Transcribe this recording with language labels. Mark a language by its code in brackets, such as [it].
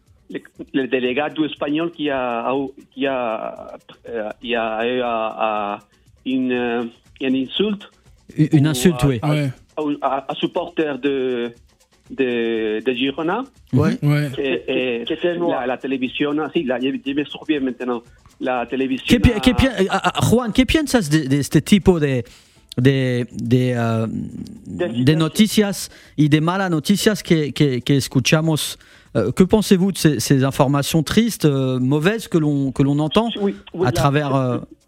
[fr] Le délégué du Espagnol qui a eu une insulte. Une insulte, oui. À supporter de Girona, ouais. La télévision, ah, si, là, je me souviens maintenant, la télévision. [es] Juan, qué piensas de este tipo de noticias y de malas noticias que escuchamos? [fr] Que pensez-vous de ces informations tristes, mauvaises que l'on entend travers?